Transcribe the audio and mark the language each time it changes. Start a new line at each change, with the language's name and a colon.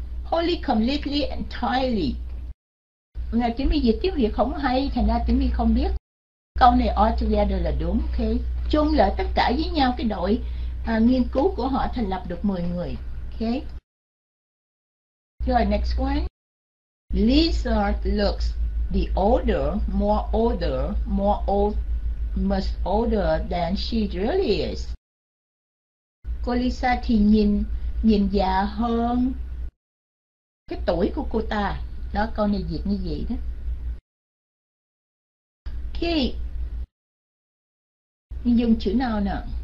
English: Wholly, completely, entirely.
Vietnamese: Ngày tiếng Mỹ dịch tiếng Việt không hay, thành ra tiếng Mỹ không biết. Câu này
English: all together
Vietnamese: là đúng, ok. Chung lại tất cả với nhau, cái đội nghiên cứu của họ thành lập được 10 người, ok. Rồi,
English: next one. Lizard looks the older, more older, more old, much older than she really is.
Vietnamese: Cô Lisa thì nhìn già hơn cái tuổi của cô ta. Đó, câu này dịch như vậy đó. Ok. Mình dùng chữ nào nè?